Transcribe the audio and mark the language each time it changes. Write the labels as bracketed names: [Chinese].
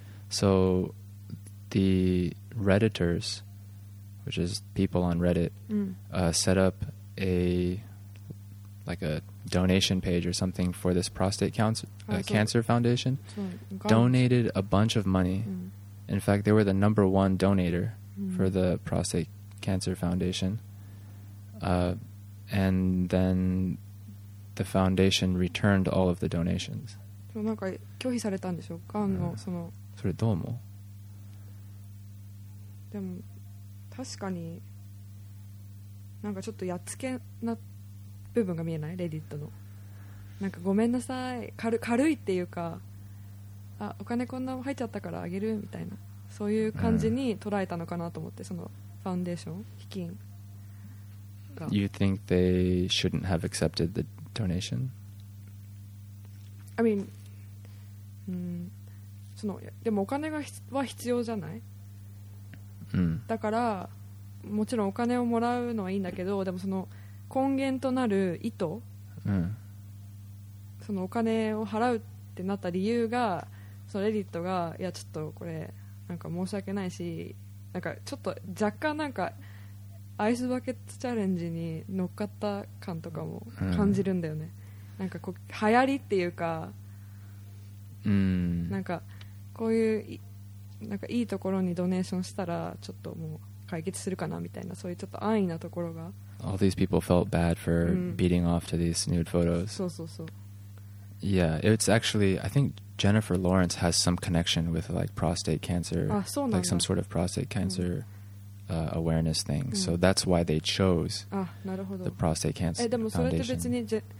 [English] So the Redditors, which is people on Reddit, set up a like a donation page or something for this prostate cancer foundation. Donated a bunch of money. In fact, they were the number one donator for the prostate cancer foundation. And then the foundation returned all of the donations. [Japanese] So, なんか拒否されたんでしょ？がんのその。それどう思う？でも確かになんかちょっとやっつけな部分が見えないレディットのなんかごめんなさい 軽いっていうかあお金こんな入っちゃったからあげるみたいなそういう感じに捉えたのかなと思ってそのファンデーション基金 [English] が You think they shouldn't have accepted the donation? I mean [Japanese] そのでもお金がは必要じゃないだからもちろんお金をもらうのはいいんだけどでもその根源となる意図、そのお金を払うってなった理由がそのレディットがいやちょっとこれなんか申し訳ないしなんかちょっと若干なんかアイスバケツチャレンジに乗っかった感とかも感じるんだよね、なんかこう流行りっていうか、なんかこういうなんかいいところにドネーションしたらちょっともう解決するかなみたいなそういうちょっと安易なところが [English] All these people felt bad for beating off to these nude photos [Japanese] そうそうそう [English] Yeah, it's actually I think Jennifer Lawrence has some connection with like prostate cancer [Japanese] あ、そうなんだ [English] Like some sort of prostate cancer awareness thing. Mm. So that's why they chose the prostate cancer foundation.